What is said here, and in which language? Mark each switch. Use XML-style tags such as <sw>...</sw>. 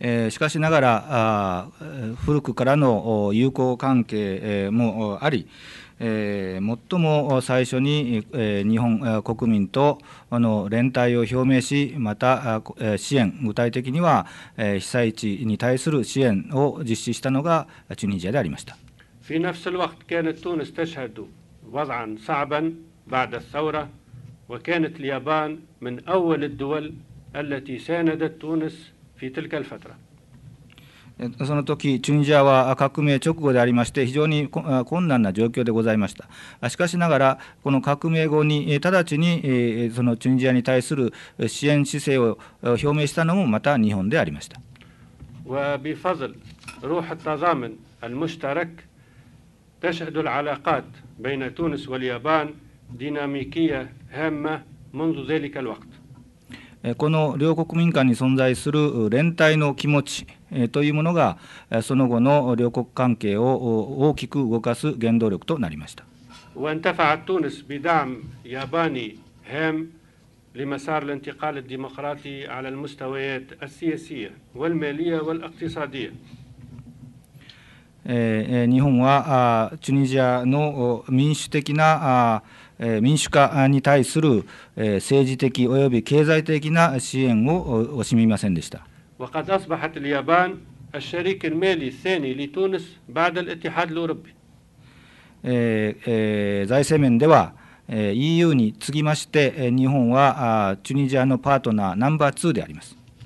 <ja>しかしながら古くからの友好関係もあり、最も最初に日本国民との連帯を表明し、また支援、具体的には被災地に対する支援を実施したのがチュニジアでありました。</ja> <ar>في نفس الوقت كانت تونس تشهد وضعا صعبا بعد الثورة وكانت اليابان من أول الدول التي ساندت تونس في تلك الفترة.</ar> <ja>その時チュニジアは革命直後でありまして、非常に困難な状況でございました。しかしながらこの革命後に直ちにそのチュニジアに対する支援姿勢を表明したのもまた日本でありました。</ja> <ar>وبفضل روح التضامن المشترك تشهد العلاقات بين تونس واليابان ديناميكية هامة منذ ذلك الوقت.</ar> <ja>この両国民間に存在する連帯の気持ちというものが、その後の両国関係を大きく動かす原動力となりました。</ja> <ar>وانتفعت تونس بدعم ياباني هام لمسار الانتقال الديمقراطي على المستويات السياسية والمالية والاقتصادية.</ar> <ja>日本はチュニジアの民主的な民主化に対する政治的および経済的な支援を惜しみませんでした。財政面では EU に次ぎまして日本はチュニジアのパートナーナンバー2であります。</ja>